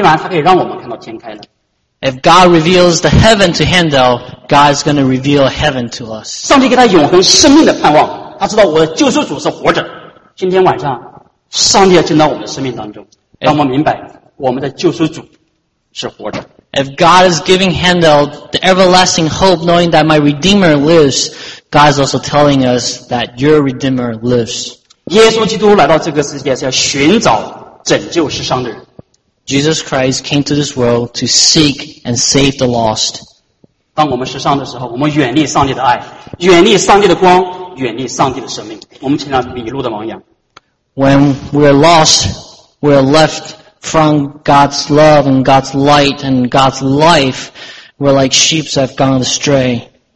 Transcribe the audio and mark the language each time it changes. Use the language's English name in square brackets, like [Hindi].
[Chinese] 上帝让他看到天开了，今天晚上他可以让我们看到天开了。 [English] If God reveals the heaven to Handel, God is going to reveal heaven to us. [Chinese] 上帝给他永恒生命的盼望，他知道我的救赎主是活着。今天晚上，上帝要进到我们的生命当中，让我们明白我们的救赎主是活着。 [English] If God is giving Handel the everlasting hope, knowing that my Redeemer lives, God is also telling us that your Redeemer lives. [Chinese] 耶稣基督来到这个世界是要寻找拯救世上的人。 [English] Jesus Christ came to this world to seek and save the lost. [Chinese] 当我们世上的时候，我们远离上帝的爱，远离上帝的光，远离上帝的生命。我们就像迷路的羔羊。 [English] When we are lost, we are left from God's love and God's light and God's life, we're like sheep that have gone astray.